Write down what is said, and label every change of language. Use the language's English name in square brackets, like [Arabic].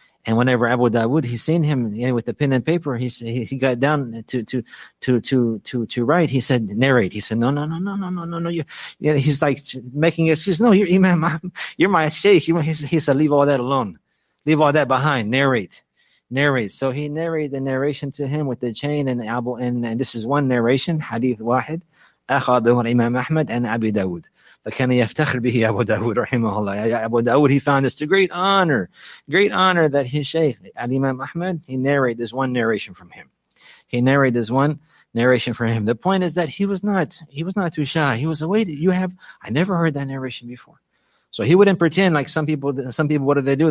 [English] And whenever Abu Dawood, he seen him with the pen and paper, he got down to write. He said, narrate. He said, no. He's like making excuses. No, you're Imam, you're my sheikh. He said, leave all that alone. Leave all that behind. Narrate. So he narrated the narration to him with the chain and Abu, and this is one narration, Hadith Wahid, [Arabic] أخذه الإمام أحمد عن أبي داود. فكان يفتخر به أبو داود رحمه الله. [English] أبو داود, he found this to great honor that his Shaykh, Al-Imam Ahmad, he narrated this one narration from him. He narrated this one narration from him. The point is that he was not too shy. He was a wait, I never heard that narration before. So he wouldn't pretend like some people, what do?